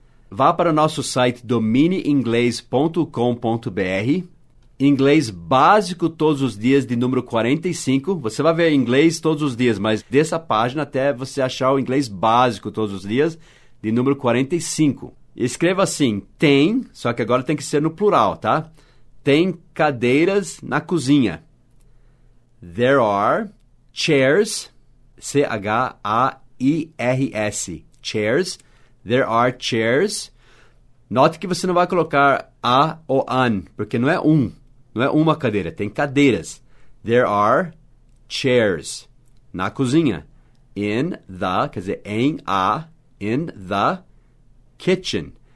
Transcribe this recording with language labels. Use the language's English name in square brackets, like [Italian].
[Portuguese] Vá para o nosso site dominieinglês.com.br, inglês básico todos os dias de número 45. Você vai ver inglês todos os dias, mas dessa página até você achar o inglês básico todos os dias de número 45. Escreva assim, tem, só que agora tem que ser no plural, tá? Tem cadeiras na cozinha. [English] There are chairs, C-H-A-I-R-S, chairs. There are chairs. [Portuguese] Note que você não vai colocar a ou an, porque não é um. Não é uma cadeira, tem cadeiras. [English] There are chairs [Portuguese] na cozinha. [English] In the, [Portuguese] quer dizer, em a, [English] in the kitchen.